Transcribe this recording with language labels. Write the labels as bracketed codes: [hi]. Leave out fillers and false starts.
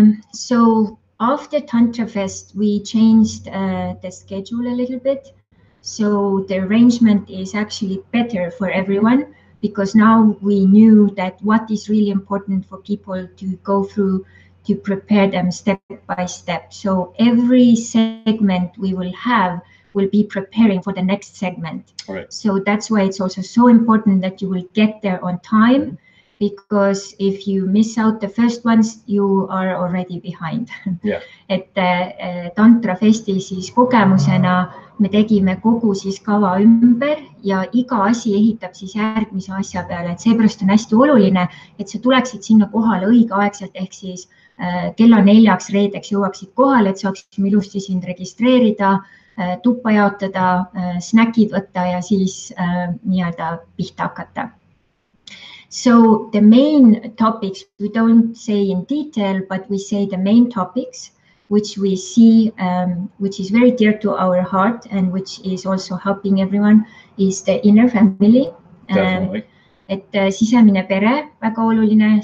[en] so after Tantra Fest we changed the schedule a little bit, so the arrangement is actually better for everyone because now we knew that what is really important for people to go through to prepare them step by step. So every segment we will have will be preparing for the next segment. Right. So that's why it's also so important that you will get there on time, because if you miss out the first ones, you are already behind. Yeah. [et] Et Tantra Festi siis kogemusena me tegime kogu siis kava ümber ja iga asi ehitab siis järgmise asja peale. Et seepärast on hästi oluline, et sa tuleksid sinna kohale õige aegselt, ehk siis kella 4 reedeks jõuaksid kohale, et saaks ilusti sind registreerida, tuppa jaotada, snackid võtta ja siis nii-öelda pihta hakata. [en] So the main topics, we don't say in detail, but we say the main topics. which we see, which is very dear to our heart and which is also helping everyone, is the inner family. Definitely. [et] Et sisemine pere, väga oluline.